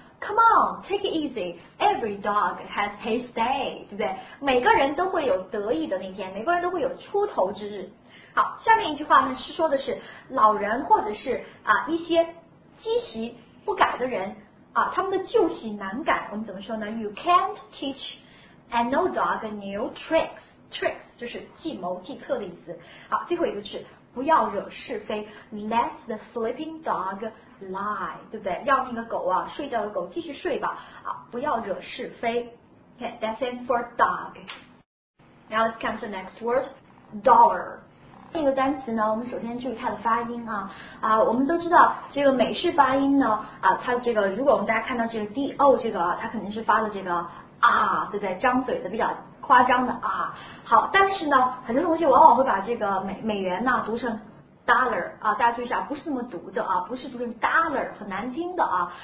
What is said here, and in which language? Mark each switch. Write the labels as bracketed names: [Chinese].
[English] Come on, take it easy. Every dog has his day, [Chinese] 对不对？每个人都会有得意的那天，每个人都会有出头之日。好，下面一句话呢是说的是老人或者是啊一些积习不改的人啊，他们的旧习难改。我们怎么说呢 ？ [English] You can't teach an old dog new tricks. [Chinese] Tricks 就是计谋、计策的意思。好，最后一个是不要惹是非 ， [English] Let the sleeping dog lie， [Chinese] 对不对？要那个狗啊，睡觉的狗继续睡吧。好，不要惹是非。 [English] Okay, that's it for dog. Now let's come to the next word, dollar. [Chinese] 这个单词呢，我们首先注意它的发音啊。啊，我们都知道这个美式发音呢，啊，它这个如果我们大家看到这个 do 这个，它肯定是发的这个啊，对不对？张嘴的比较。夸张的啊，好，但是呢，很多同学往往会把这个美元呢读成 dollar 啊，大家注意一下，不是那么读的啊，不是读成 dollar， 很难听的啊。